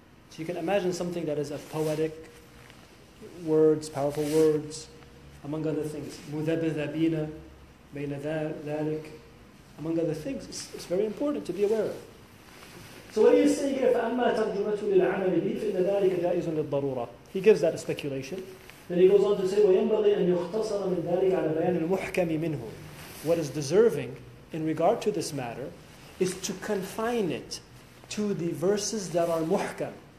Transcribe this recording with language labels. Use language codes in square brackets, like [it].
[en] So you can imagine something that is a poetic words, powerful words, among other things. [ar] مُذَبِذَبِينَ بَيْنَ ذَلِكَ, [en] among other things. It's very important to be aware of. So what are you saying here? [ar] فَأَمَّا تَرْجُمَتُ لِلْعَمَلِ بِهِ فَإِنَّ ذَلِكَ جَائِزٌ لِلْضَرُورَةِ. [en] He gives that a speculation. Then he goes on to say, [ar] وَيَنْبَغِي أَنْ يُخْتَصَرَ مِنْ ذَلِكَ عَلَى بَيَانِ الْمُحْكَمِ مِنْهُ. [en] What is deserving in regard to this matter is to confine it to the verses that are muhkam.